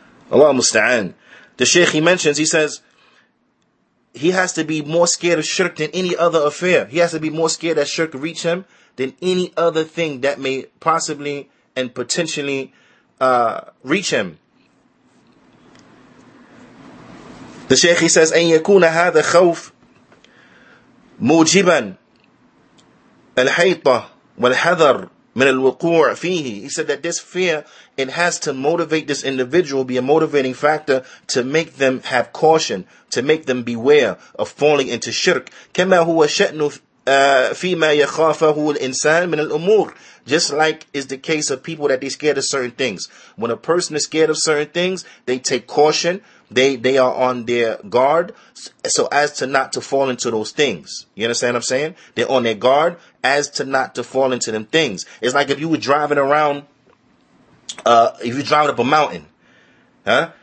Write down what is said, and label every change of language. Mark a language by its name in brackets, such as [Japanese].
[English] Allah musta'an. The sheikh, he mentions, he says, he has to be more scared of shirk than any other affair. He has to be more scared that shirk reach him than any other thing that may possibly and potentially reach him. The Shaykh, he says, [Arabic] أَنْ يَكُونَ هَذَا خَوْفٌ مُوجِبًا الْحَيْطَةِ والحذر من الوقوع فيه. [English] He said that this fear, it has to motivate this individual, be a motivating factor to make them have caution, to make them beware of falling into shirk. [Arabic] كما هو شأن فيما يخافه الإنسان من الأمور. [English] Just like is the case of people that they scared of certain things. When a person is scared of certain things, they take caution. They are on their guard so as to not to fall into those things. You understand what I'm saying? They're on their guard as to not to fall into them things. It's like if you were driving around, if you're driving up a mountain, huh?